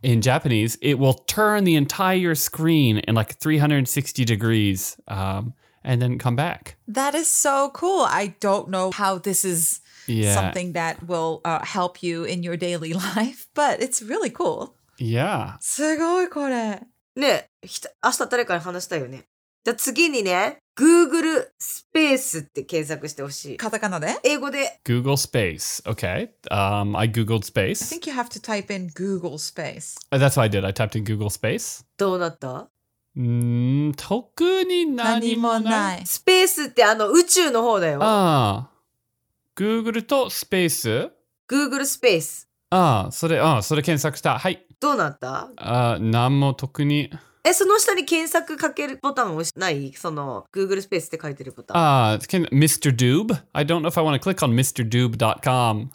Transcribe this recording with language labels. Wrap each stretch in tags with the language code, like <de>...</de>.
<en>In Japanese, it will turn the entire screen in like 360 degrees and then come back. That is so cool. I don't know how this is yeah. something that will help you in your daily life, but it's really cool. Yeah.</en> <ja>すごいこれ。ね、明日誰かに話したいよね。じゃあ次にね、Google Space って検索してほしい。カタカナで？英語で。</ja> <en>Google Space. Okay. I googled space. I think you have to type in Google Space. That's what I did. I typed in Google Space.</en> <ja>どうなった？特に何もない。スペースってあの宇宙の方だよ。ああ。Google とスペース？ Google Space。ああ、それ、ああ、それ検索した。はい。どうなった？何も特に。え、その下に検索かけるボタンを押しない？その Google Space って書いてるボタン。</ja> <en>Mr. Doob? I don't know if I want to click on MrDoob.com.</en>